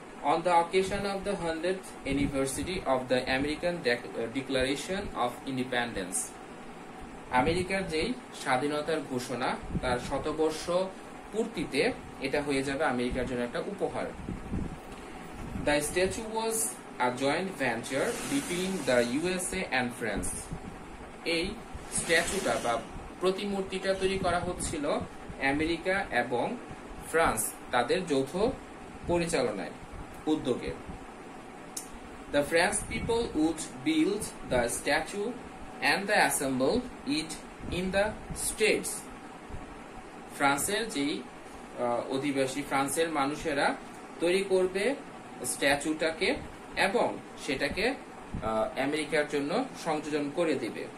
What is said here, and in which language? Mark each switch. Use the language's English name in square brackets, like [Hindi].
[English] On the occasion of the 100th anniversary of the American Declaration of Independence, [Bangla] আমেরিকার যেই স্বাধীনতার ঘোষণা তার শতবর্ষ পূর্তিতে এটা হয়ে যাবে আমেরিকার জন্য একটা উপহার। [English] The statue was a joint venture between the USA and France. [Bangla] এই স্ট্যাচুটা বা প্রতিমূর্তিটা তৈরি করা হচ্ছিল আমেরিকা এবং ফ্রান্স তাদের যৌথ পরিচালনায় উদ্যোগে। [English] the French people would build the statue and the assemble it in the States, [Bangla] ফ্রান্সের যেই অধিবাসী, ফ্রান্সের মানুষেরা তৈরি করবে স্ট্যাচুটাকে এবং সেটাকে আমেরিকার জন্য সংযোজন করে দেবে।